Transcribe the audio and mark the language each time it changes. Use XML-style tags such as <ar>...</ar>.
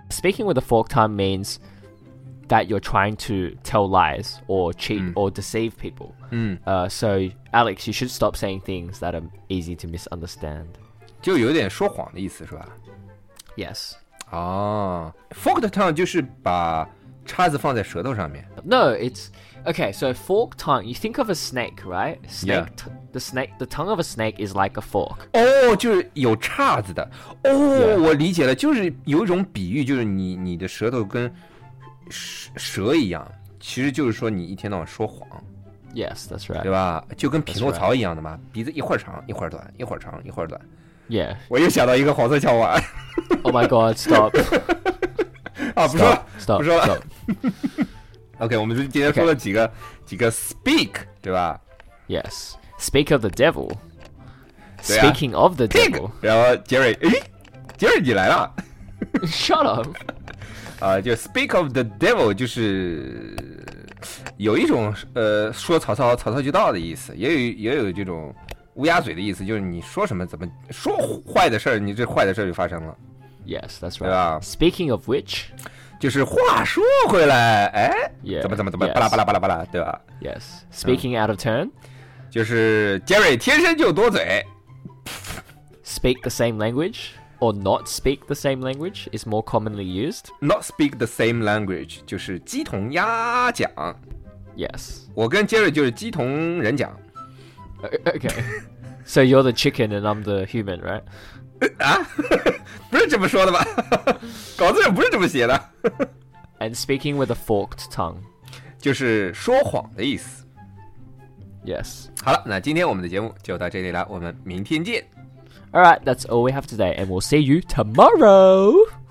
<en>Speaking with a forked tongue means that you're trying to tell lies or cheat or deceive people. So Alex, you should stop saying things that are easy to misunderstand.</en> <zh>就有点说谎的意思是吧？</zh> <en>Yes.</en> <zh>Forked tongue 就是把叉子放在舌头上面。</zh> <en>No, it's okay. So forked tongue, you think of a snake, right? The tongue of a snake is like a fork.</en> <zh>就是有叉子的。我理解了，就是有一种比喻，就是你的舌头跟蛇一样，其实就是说你一天到晚说谎。</zh> <en>Yes, that's right.</en> <zh>对吧？就跟匹诺曹一样的嘛， right. 鼻子一会儿长一会儿短，一会儿长一会儿短。</zh> <en>Yeah.</en> <zh>我又想到一个黄色笑话。</zh> <en>Oh my God! Stop.</en> <zh>不说了</zh> <en>stop,</en> <zh>不说了</zh> <en>stop.</en> <zh>OK, 我们今天说了几个、okay. 几个 speak, 对吧？</zh> <en>Yes, speak of the devil、啊、 Speaking of the Pig, devil.</en> <zh>然后 Jerry, Jerry 你来了。</zh> <en>Shut up、</en> <zh>就</zh> <en>speak of the devil</en> <zh>就是有一种、说曹操曹操就到的意思，也有这种乌鸦嘴的意思，就是你说什么怎么说坏的事，你这坏的事就发生了。</zh> <en>Yes, that's right. Speaking of which,</en> <zh>就是话说回来，哎，</zh> <en>yeah,</en> <zh>怎么，巴拉巴拉巴拉巴拉，对吧？</zh> <en>Yes. Speaking out of turn,</en> <zh>就是 Jerry 天生就多嘴。</zh> <en>Speak the same language or not speak the same language is more commonly used. Not speak the same language</en> <zh>就是鸡同鸭讲。</zh> <en>Yes.</en> <zh>我跟 Jerry 就是鸡同人讲。</zh> <en>Okay. So you're the chicken and I'm the human, right?</en> <zh>啊？不是这么说的吧？稿子上不是这么写的。</zh> <en>And speaking with a forked tongue.</en> <zh>就是说谎的意思。</zh> <en>Yes.</en> <zh>好了，那今天我们的节目就到这里了，我们明天见。</zh> <en>All right, that's all we have today, and we'll see you tomorrow.</en>